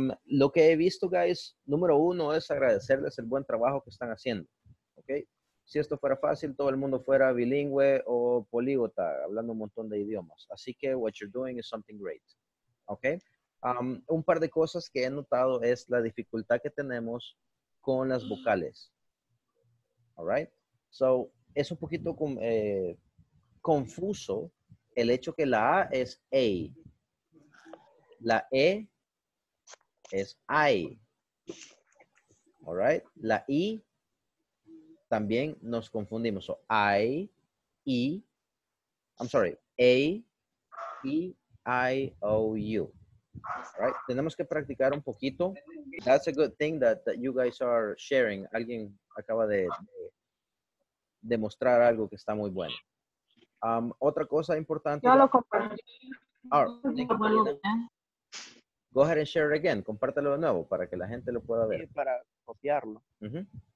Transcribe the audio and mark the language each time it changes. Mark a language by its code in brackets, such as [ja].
[es] Lo que he visto, guys, número uno es agradecerles el buen trabajo que están haciendo. Okay. Si esto fuera fácil, todo el mundo fuera bilingüe o políglota, hablando un montón de idiomas. Así que [en] what you're doing is something great. Okay. [es] Un par de cosas que he notado es la dificultad que tenemos con las vocales. [en] All right. [es] So, es un poquito confuso el hecho que la A es A. La E es I. [en] All right. [es] La I también nos confundimos. [en] So, I, E, I'm sorry, A, E, I, O, U. All right. [es] Tenemos que practicar un poquito. [en] That's a good thing that you guys are sharing. [es] Alguien acaba de demostrar algo que está muy bueno. Otra cosa importante. Yo lo compartí. [en] Go ahead and share it again. [es] Compártelo de nuevo para que la gente lo pueda ver. Sí, para copiarlo. Uh-huh.